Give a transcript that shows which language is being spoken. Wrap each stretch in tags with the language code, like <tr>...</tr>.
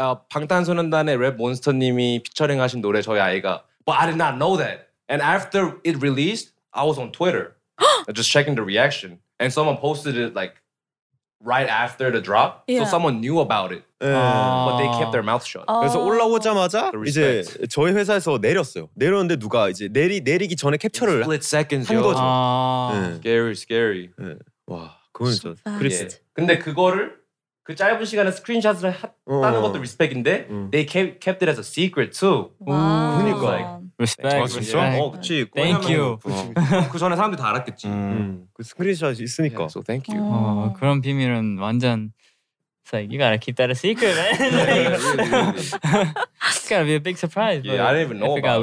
<ko>방탄소년단의 랩 몬스터님이 피처링하신 노래 저희 아이가</ko> <en>But I did not know that. And after it released, I was on Twitter. just checking the reaction. And someone posted it like right after the drop. Yeah. So someone knew about it. Yeah. But they kept their mouth shut.</en> <ko>그래서 올라오자마자 이제 저희 회사에서 내렸어요. 내렸는데 누가 이제 내리기 전에 캡처를</ko> <en>split seconds,</en> <ko>한 거죠.</ko> <en>Scary, scary.</en> <ko>와, 그건 진짜 크리스. 근데 그거를 그 짧은 시간에 스크린샷을 했다는 것도 리스펙인데</ko> <en>they kept it as a secret too.</en> <ko>그니까.</ko> <en>Respect.</en> <ko>아, 진짜? 그치.</ko> <en>Thank you.</en> <ko>그 전에 사람들이 다 알았겠지. 그 스크린샷이 있으니까.</ko> <en>So thank you.</en> <ko>그런 비밀은 완전</ko> <en>like, you gotta keep that a secret, man. It's gotta be a big surprise. Yeah, I didn't even know about it.</en>